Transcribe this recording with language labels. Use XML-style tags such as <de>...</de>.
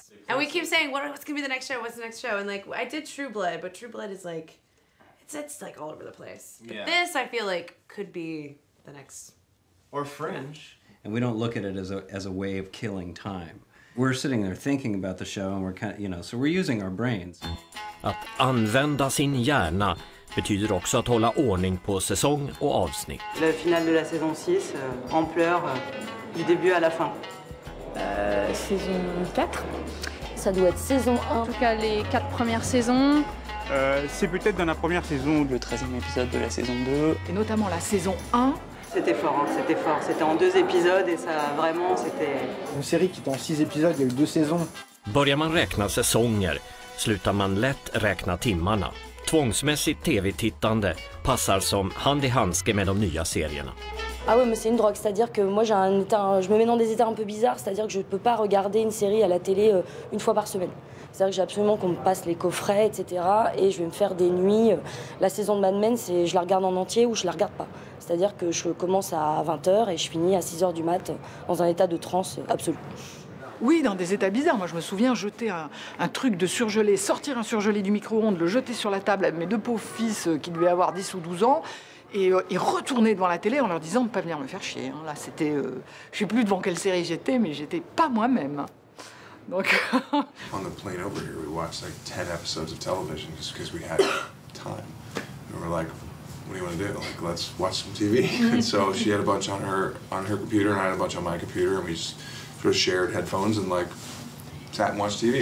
<en>And we keep saying, what's going to be the next show? What's the next show? And like, I did True Blood, but True Blood is like, it's like all over the place. But this, I feel like, could be the next. Or Fringe. And we don't look at it as a way of killing time. We're sitting there thinking about the show and we're kind of, you know, so we're using our brains.</en> <sv>Att använda sin hjärna betyder också att hålla ordning på säsong och avsnitt.</sv> <fr>Le final de la saison 6, ampleur du début à la fin. Saison 4. Ça doit être saison 1. En tout cas les 4 premières saisons, C'est peut-être dans la première saison. Le 13e épisode de la saison 2. Et notamment la saison 1. C'était fort, hein, c'était fort. C'était en 2 épisodes et ça, vraiment, c'était... Une série qui était en 6 épisodes, il y a eu 2 saisons.</fr> <sv>Börjar man räkna säsonger, slutar man lätt räkna timmarna. Tvångsmässigt tv-tittande passar som hand i handske med de nya serierna.</sv> <fr>Ah ouais, mais c'est une drogue, c'est-à-dire que moi j'ai un état, je me mets dans des états un peu bizarres, c'est-à-dire que je peux pas regarder une série à la télé une fois par semaine. C'est-à-dire que j'ai absolument qu'on me passe les coffrets, etc. Et je vais me faire des nuits. La saison de Mad Men, c'est je la regarde en entier ou je la regarde pas. C'est-à-dire que je commence à 20h et je finis à 6h du mat dans un état de transe absolu. Oui, dans des états bizarres. Moi, je me souviens jeter un truc de surgelé, sortir un surgelé du micro-ondes, le jeter sur la table à mes deux pauvres fils qui devaient avoir 10 ou 12 ans et retourner devant la télé en leur disant de ne pas venir me faire chier. Là, c'était... je sais plus devant quelle série j'étais, mais j'étais pas moi-même. Donc...</fr> <en>On the plane over here, we watched like 10 episodes of television just because we had time. And we were like, what do you want to do? Like, let's watch some TV. And so she had a bunch on her computer and I had a bunch on my computer and we just... Just shared headphones and like sat and watched TV.</en>